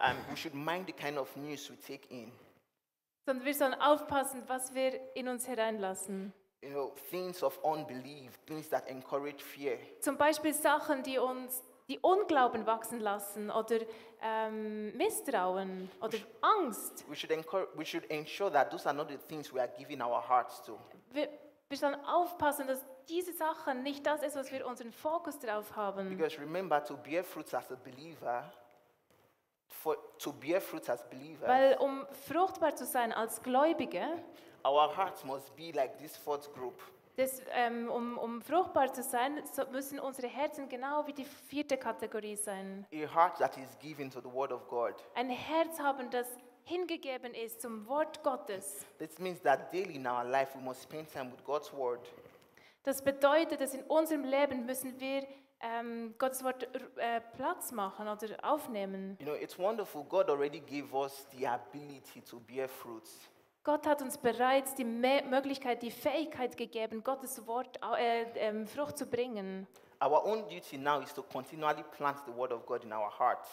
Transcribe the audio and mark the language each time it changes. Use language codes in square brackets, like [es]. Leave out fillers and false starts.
[en] We should mind the kind of news we take in. [de] Sondern wir sollen aufpassen, was wir in uns hereinlassen. [en] You know, things of unbelief, things that encourage fear. [de] Zum Beispiel Sachen, die uns die Unglauben wachsen lassen oder Misstrauen oder Angst. [en] We should ensure that those are not the things we are giving our hearts to. [de] Wir sollen aufpassen, dass diese Sachen nicht das ist, was wir unseren Fokus drauf haben. [en] Because remember, to bear fruits as a believer, to bear fruits as believers. [de] Weil um fruchtbar zu sein als Gläubige. [en] Our hearts must be like this fourth group. [de] Das, um fruchtbar zu sein, so müssen unsere Herzen genau wie die vierte Kategorie sein. [en] A heart that is given to the Word of God. [de] Ein Herz haben, das hingegeben ist zum Wort Gottes. [en] This means that daily in our life we must spend time with God's Word. [de] Das bedeutet, dass in unserem Leben müssen wir Gottes Wort Platz machen oder aufnehmen. [en] You know, it's wonderful. God already gave us the ability to bear fruits. [de] Gott hat uns bereits die Möglichkeit, die Fähigkeit gegeben, Gottes Wort Frucht zu bringen. [en] Our own duty now is to continually plant the Word of God in our hearts.